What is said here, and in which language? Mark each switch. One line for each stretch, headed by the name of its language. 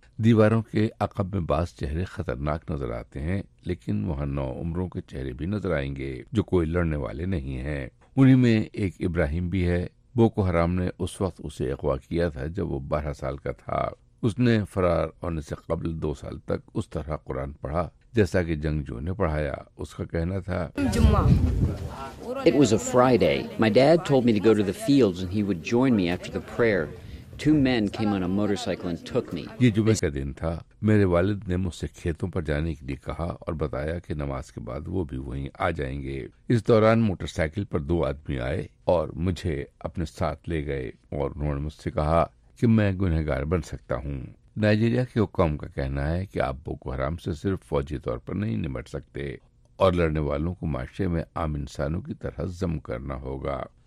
Urdu: دیواروں کے عقب میں بعض چہرے خطرناک نظر آتے ہیں، لیکن وہاں نو عمروں کے چہرے بھی نظر آئیں گے جو کوئی لڑنے والے نہیں ہیں۔ انہیں میں ایک ابراہیم بھی ہے۔ بوکو حرام نے اس وقت اسے اغوا کیا تھا جب وہ 12 سال کا تھا۔ اس نے فرار ہونے سے قبل 2 سال تک اس طرح قرآن پڑھا جیسا کہ جنگجو نے پڑھایا۔ اس کا کہنا تھا،
English: It was a Friday. My dad told me to go to the fields and he would join me after the prayer. Two men came on a motorcycle and took me.
Urdu: یہ جمعہ کا دن تھا۔ میرے والد نے مجھ سے کھیتوں پر جانے کے لیے کہا اور بتایا کہ نماز کے بعد وہ بھی وہیں آ جائیں گے۔ اس دوران موٹر سائیکل پر 2 آدمی آئے اور مجھے اپنے ساتھ لے گئے، اور انہوں نے مجھ سے کہا کہ میں گنہگار بن سکتا ہوں۔ نائجیریا کے حکام کا کہنا ہے کہ آپ بوکو حرام سے صرف فوجی طور پر نہیں نمٹ سکتے، اور لڑنے والوں کو معاشرے میں عام انسانوں کی طرح ضم کرنا ہوگا۔